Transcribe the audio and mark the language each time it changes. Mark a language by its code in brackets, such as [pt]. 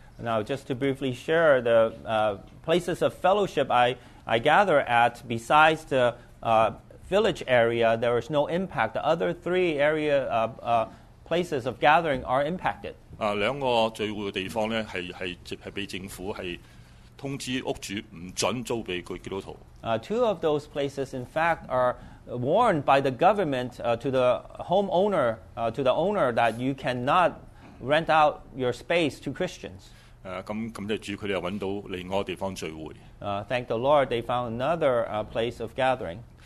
[en] Now, just to briefly share the places of fellowship I gather at, besides the village area, there is no impact. The other three area places of gathering are impacted. [yue] 两个聚会的地方呢，系被政府系通知屋主唔准租俾佢基督徒。 [en] Two of those places, in fact, are warned by the government to the homeowner, to the owner, that you cannot rent out your space to Christians. [yue] 咁即係主，佢哋又揾到另外一個地方聚會。 [en] Thank the Lord, they found another place of gathering.